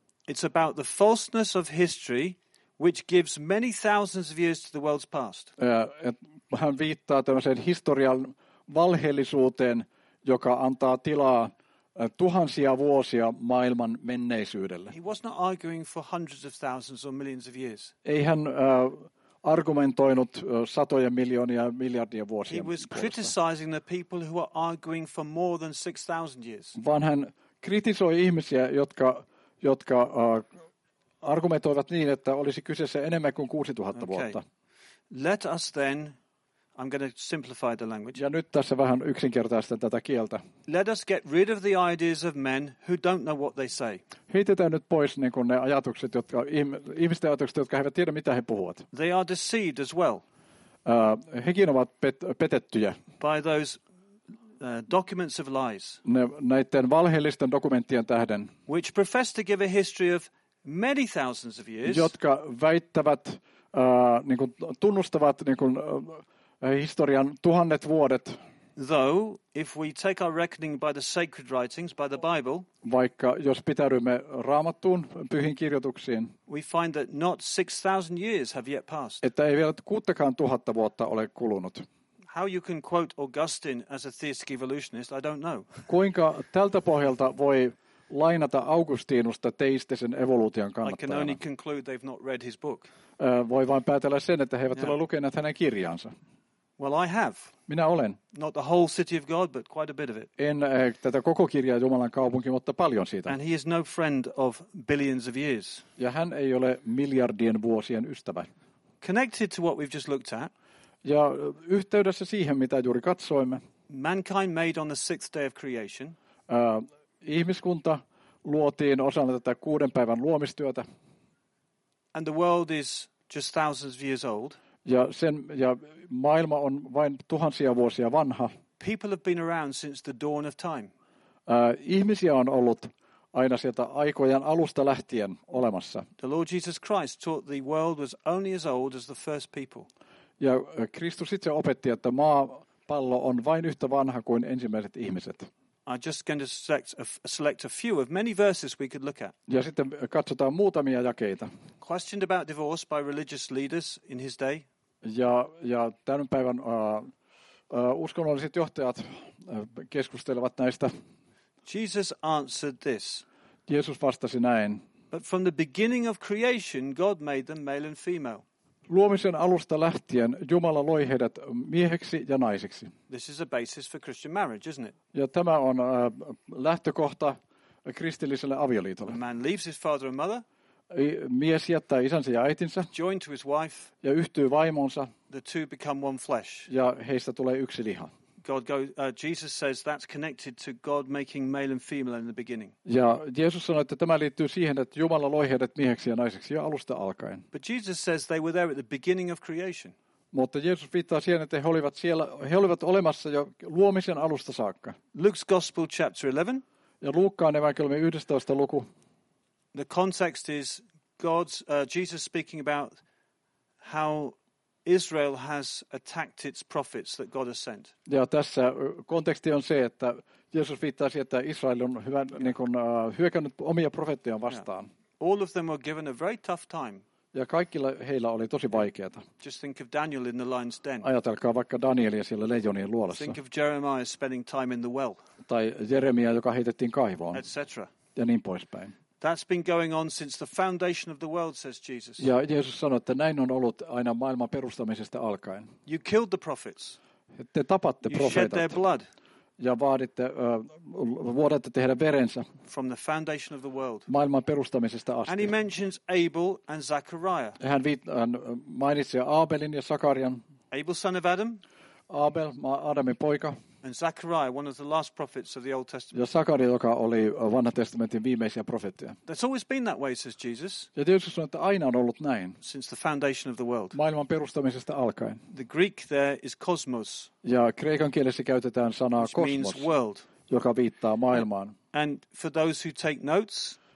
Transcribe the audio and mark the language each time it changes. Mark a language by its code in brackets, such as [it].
[en] It's about the falseness of history, which gives many thousands of years to the world's past. [fi] Hän viittaa tämmöiseen historian valheellisuuteen, joka antaa tilaa tuhansia vuosia maailman menneisyydelle. [en] He was not arguing for hundreds of thousands or millions of years. [fi] Ei hän argumentoinut satoja miljoonia miljardia vuosia. [en] He was criticizing the people who are arguing for more than 6,000 years. [fi] Vaan hän kritisoi ihmisiä, jotka argumentoivat niin, että olisi kyseessä enemmän kuin 6,000 vuotta. [en] Okay. Let us then, I'm going to simplify the language. [fi] Ja nyt tässä vähän yksinkertaistan tätä kieltä. [en] Let us get rid of the ideas of men who don't know what they say. [fi] Heitetään nyt pois niin kuin ne ajatukset, jotka ihmisten ajatukset, jotka eivät tiedä mitä he puhuvat. [en] They are deceived as well. [fi] Hekin ovat petettyjä. [en] By those documents of lies. [fi] Näiden valheellisten dokumenttien tähden. [en] Which profess to give a history of many thousands of years. [fi] Jotka väittävät niin kuin tunnustavat niin kuin historian tuhannet vuodet. [en] Though if we take our reckoning by the sacred writings, by the Bible, [fi] vaikka jos pitäydymme Raamattuun pyhiin kirjoituksiin, [en] we find that not 6,000 years have yet passed. [fi] Että ei vielä 6,000 vuotta ole kulunut. [en] How you can quote Augustine as a theistic evolutionist, I don't know. [fi] Kuinka tältä pohjalta voi lainata Augustinusta teistisen evoluution kannattajana? [en] I can only conclude they've not read his book. [fi] Voi vain päätellä sen, että he eivät ole lukeneet hänen kirjaansa. [en] Well, I have. [fi] Minä olen. [en] Not the whole City of God, but quite a bit of it. [fi] En tätä koko kirjaa Jumalan kaupunki, mutta paljon siitä. [en] And he is no friend of billions of years. [fi] Ja hän ei ole miljardien vuosien ystävä. [en] Connected to what we've just looked at. [fi] Ja yhteydessä siihen, mitä juuri katsoimme. [en] Mankind made on the 6th day of creation. [fi] Ihmiskunta luotiin osana tätä 6 päivän luomistyötä. [en] And the world is just thousands of years old. [fi] Ja maailma on vain tuhansia vuosia vanha. [en] People have been around since the dawn of time. [fi] Ihmisiä on ollut aina sieltä aikojen alusta lähtien olemassa. [en] The Lord Jesus Christ taught the world was only as old as the first people. [fi] Ja Kristus itse opetti, että maapallo on vain yhtä vanha kuin ensimmäiset ihmiset. [en] I'm just going to select a few of many verses we could look at. [fi] Ja sitten katsotaan muutamia jakeita. [en] Questioned about divorce by religious leaders in his day. [fi] Ja tämän päivän uskonnolliset johtajat keskustelevat näistä. [en] Jesus answered this. [fi] Jeesus vastasi näin. [en] But from the beginning of creation, God made them male and female. [fi] Luomisen alusta lähtien Jumala loi heidät mieheksi ja naiseksi. [en] This is a basis for Christian marriage, isn't it? [fi] Ja tämä on lähtökohta kristilliselle avioliitolle. [en] A man leaves his father and mother. [fi] Mies jättää isänsä ja äitinsä. [en] Join to his wife. [fi] Ja yhtyy vaimonsa. [en] The two become one flesh. [fi] Ja heistä tulee yksi liha. [en] Jesus says that's connected to God making male and female in the beginning. [fi] Ja Jeesus sanoi, että tämä liittyy siihen, että Jumala loi heidät mieheksi ja naiseksi jo alusta alkaen. [en] But Jesus says they were there at the beginning of creation. [fi] Mutta Jeesus viittaa siihen, että he olivat olemassa jo luomisen alusta saakka. [en] Luke's Gospel chapter 11. [fi] Ja Luukkaan evankeliumi 11. luku. [en] The context is Jesus speaking about how Israel has attacked its prophets that God has sent. [fi] Ja tässä konteksti on se, että Jeesus viittaa siihen, että Israel on hyökännyt omia profeettejaan vastaan. [en] Yeah. All of them were given a very tough time. [fi] Ja kaikilla heillä oli tosi vaikeaa. [en] Just think of Daniel in the lion's den. [fi] Ajatelkaa vaikka Danielia siellä leijonien luolassa. [en] Think of Jeremiah spending time in the well. [fi] Tai Jeremia, joka heitettiin kaivoon. [en] Etc. [fi] Ja niin poispäin. [en] That's been going on since the foundation of the world, says Jesus. [fi] Ja Jeesus sanoi, että näin on ollut aina maailman perustamisesta alkaen. [en] You killed the prophets. [fi] Te tapatte profeetat. [en] You shed their blood. [fi] Ja vaaditte, vuodatte tehdä verensä [en] from the foundation of the world. [fi] Maailman perustamisesta asti. [en] And he mentions Abel and Zachariah. [fi] Hän mainitsi Abelin ja Sakarian. [en] Abel, son of Adam. [fi] Abel, Adamin poika. [en] And Zachariah, one of the last prophets of the Old Testament. [fi] Ja Sakaria, joka oli Vanhan testamentin viimeisiä profeettia. [en] That's always been that way, says Jesus. [fi] Ja Jeesus sanoi, että aina on ollut näin. [en] Since the foundation of the world. [fi] Maailman perustamisesta alkaen. [en] The Greek there is cosmos. [fi] Ja kreikan kielessä käytetään sanaa kosmos, [en] means world, [fi] joka viittaa maailmaan. [en] And for those who take notes,